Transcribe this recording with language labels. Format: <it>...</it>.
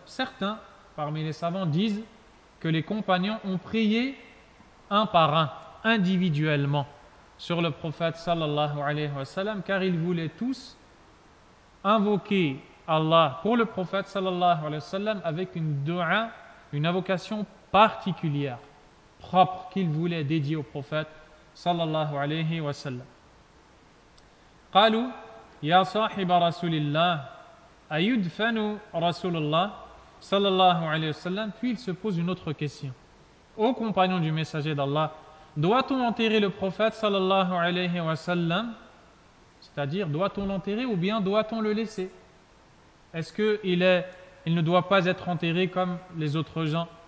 <fr>Certains parmi les savants disent que les compagnons ont prié un par un, individuellement, sur le prophète sallallahu alayhi wa sallam, car ils voulaient tous invoquer Allah pour le prophète sallallahu alayhi wa sallam avec une dua, une invocation particulière, propre, qu'ils voulaient dédier au prophète صلى الله عليه وسلم.</fr> <ar>قالوا يا صاحب رسول الله أيدفن رسول الله صلى الله عليه وسلم.</ar> <fr>Puis il se pose une autre question. Ô compagnon du messager d'Allah, doit-on enterrer le prophète صلى الله عليه وسلم, c'est-à-dire doit-on l'enterrer ou bien doit-on le laisser, est-ce que il ne doit pas être enterré comme les autres gens?</fr>